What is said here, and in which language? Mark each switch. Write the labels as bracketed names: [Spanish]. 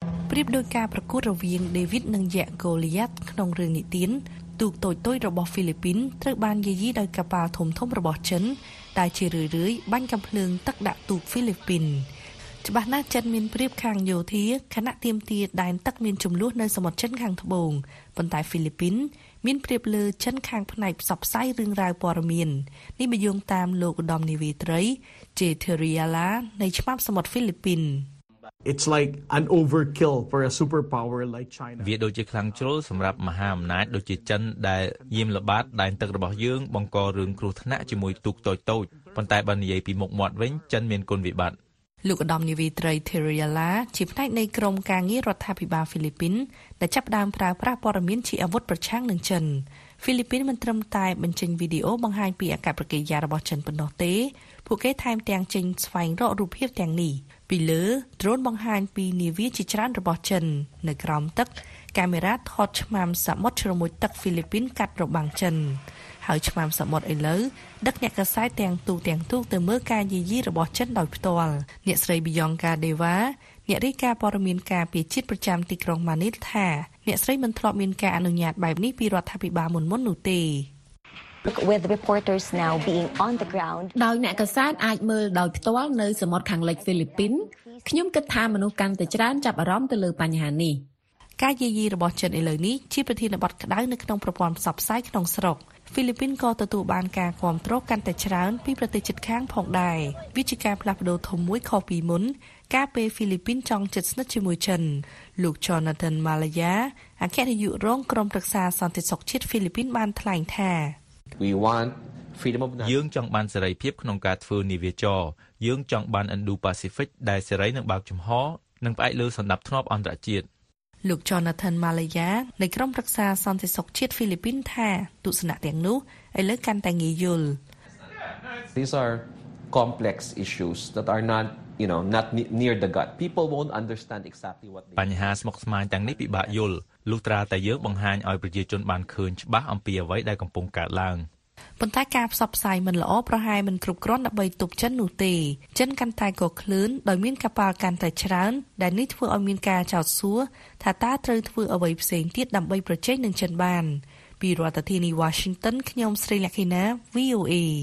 [Khmer] ព្រៀបដោយការប្រកួតរវាងដេវីតនិងយ៉ាកូលីយ៉ាត់ក្នុងរឿងនិទានទូកតូចៗរបស់ហ្វីលីពីនត្រូវបានយាយីដោយកប៉ាល់ធំៗរបស់ចិនតែជារឿយៗបាញ់កាំភ្លើងទឹកដាក់ទូកហ្វីលីពីនច្បាស់ណាស់ចិនមានព្រៀបខាងយោធាខណៈទៀមទាដែនទឹកមានចំនួននៅសមុទ្រចិនខាងត្បូងប៉ុន្តែហ្វីលីពីនមានព្រៀបលើចិនខាងផ្នែកផ្សព្វផ្សាយរឿងរ៉ាវព័ត៌មាននេះបយងតាមលោកឧត្តមនាវីត្រីជេធេរីយ៉ាឡានៃច្បាប់សមុទ្រហ្វីលីពីន [English] It's like an overkill for a superpower like China. [Khmer] វាដូចជាខ្លាំងជ្រុលសម្រាប់មហាអំណាចដូចជាចិនដែលយាមល្បាតដែនទឹករបស់យើងបង្ករឿងគ្រោះថ្នាក់ជាមួយទូកតូចៗប៉ុន្តែបើនិយាយពីមុខមាត់វិញចិនមានគុណវិបត្តិ លោកឧត្តមនាវីត្រី Theriala ជាផ្នែកនៃក្រុមការងាររដ្ឋាភិបាលហ្វីលីពីនដែលចាប់ផ្ដើមប្រើប្រាស់ព័ត៌មានជាអាវុធប្រឆាំងនឹងចិនហ្វីលីពីនមិនត្រឹមតែបញ្ចេញវីដេអូបង្ហាញពីអាកប្បកិរិយារបស់ចិនប៉ុណ្ណោះទេពួកគេថែមទាំងចេញស្វែងរករូបភាពទាំងនេះពីលើ drone បង្ហាញពីនាវាជាច្រើនរបស់ចិននៅក្រោមទឹកកាមេរ៉ាថតឆ្មាំសមុទ្រជ្រមុជទឹកហ្វីលីពីនកាត់របាំងចិន ហើយឆ្មាំសមុទ្រឥឡូវដឹកអ្នកកសាយទាំងទូកទៅមើលការយាយីរបស់ចិនដោយផ្ទាល់អ្នកស្រី Bianca Deva អ្នករាយការណ៍ព័ត៌មានការពារជាតិប្រចាំទីក្រុងម៉ានីលថាអ្នកស្រីមិនធ្លាប់មានការអនុញ្ញាតបែបនេះពីរដ្ឋាភិបាលមុននោះទេ [English] With reporters now being on the ground [Khmer] ដោយអ្នកកសាន្តអាចមើលដោយផ្ទាល់នៅសមុទ្រខាងលិចហ្វីលីពីនខ្ញុំគិតថាមនុស្សកាន់តែច្រើនចាប់អារម្មណ៍ទៅលើបញ្ហានេះ ការយាយីរបស់ចិនឥឡូវនេះជាប្រធានបទក្តៅនៅក្នុងប្រព័ន្ធផ្សព្វផ្សាយក្នុងស្រុកហ្វីលីពីនក៏ទទួលបានការគាំទ្រកាន់តែច្រើនពីប្រទេសជិតខាងផងដែរវាជាការផ្លាស់ប្តូរធំមួយខុសពីមុនការពេលហ្វីលីពីនចង់ជិតស្និទ្ធជាមួយចិនលោក Jonathan Malaya អគ្គនាយករងក្រុមប្រឹក្សាសន្តិសុខជាតិហ្វីលីពីនបានថ្លែងថា [English] We want freedom of [Khmer] the យើងចង់បានសេរីភាពក្នុងការធ្វើនាវាចរយើងចង់បានឥណ្ឌូ-ប៉ាស៊ីហ្វិកដែលសេរីនិងបើកចំហនិងផ្អែកលើសន្តិភាពអន្តរជាតិ លោក Jonathan Malaya នៃក្រុមប្រឹក្សាសន្តិសុខជាតិហ្វីលីពីនថាទស្សនៈទាំងនោះឥឡូវកាន់តែងាយយល់ [English] These are complex issues that are not, you know, not near the gut. People won't understand exactly what [Khmer] បញ្ហាស្មុគស្មាញទាំងនេះពិបាកយល់លុះត្រាតែយើងបង្ហាញឲ្យប្រជាជនបានឃើញច្បាស់អំពីអ្វីដែលកំពុងកើតឡើង ប៉ុន្តែការផ្សព្វផ្សាយមិនល្អប្រហែលមិនគ្រប់គ្រាន់ដើម្បីទប់ចិននោះទេចិនកាន់តែក៏ខ្លួនដោយមានកប៉ាល់កាន់តែច្រើនដែលនេះធ្វើឲ្យមានការចោទសួរថាតើត្រូវធ្វើអ្វីផ្សេងទៀតដើម្បីប្រជែងនឹងចិនបានពីរដ្ឋធានី Washington ខ្ញុំស្រីលក្ខិណា VOA